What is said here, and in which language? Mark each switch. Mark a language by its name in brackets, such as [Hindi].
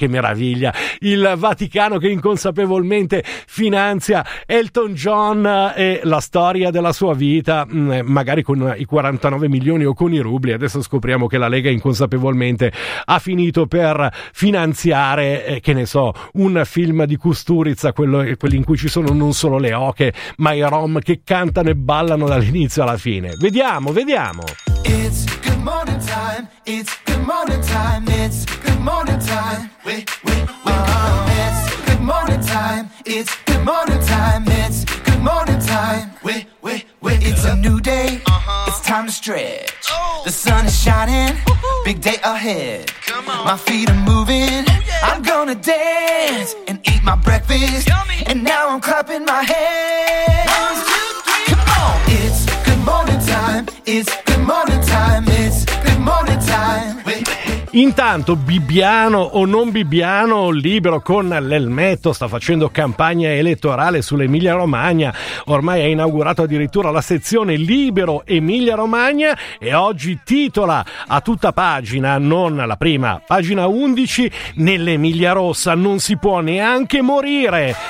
[Italian] Che meraviglia, il Vaticano che inconsapevolmente finanzia Elton John e la storia della sua vita, magari con i 49 milioni o con i rubli. Adesso scopriamo che la Lega inconsapevolmente ha finito per finanziare, che ne so, un film di Kusturica, quello in cui ci sono non solo le oche ma i rom che cantano e ballano dall'inizio alla fine. Vediamo. [English] It's good morning time, it's good morning time, it's good morning time. Wake up. It's good morning time, it's good morning time, it's good morning time. Wake up. It's a new day, It's time to stretch. Oh. The sun is shining, woo-hoo. Big day ahead. Come on. My feet are moving, oh, yeah. I'm gonna dance, ooh. And eat my breakfast. Yummy. And now I'm clapping my hands. One, two, three. Come on. It's good morning time, it's good morning time, it's good morning time. [Italian] Intanto, bibbiano o non bibbiano, libero con l'elmetto, sta facendo campagna elettorale sull'Emilia Romagna, ormai ha inaugurato addirittura la sezione Libero Emilia Romagna e oggi titola a tutta pagina, non la prima, pagina 11, nell'Emilia Rossa non si può neanche morire.